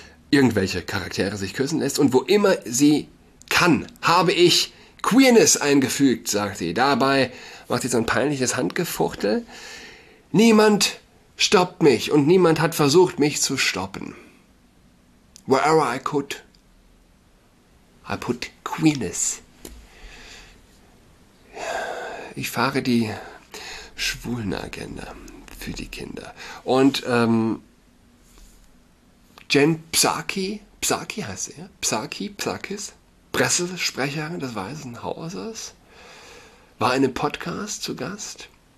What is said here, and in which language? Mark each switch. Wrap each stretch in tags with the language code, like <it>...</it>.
<de>irgendwelche Charaktere sich küssen lässt. Und wo immer sie kann, habe ich Queerness eingefügt, sagt sie. Dabei macht sie so ein peinliches Handgefuchtel. Niemand stoppt mich und niemand hat versucht, mich zu stoppen.</de> <en>Wherever I could, I put Queerness.</en> <de>Ich fahre die Schwulenagenda für die Kinder. Und Jen Psaki, Psaki heißt sie, ja? Psaki, Psakis, Pressesprecherin des Weißen Hauses, war in einem Podcast zu Gast.</de>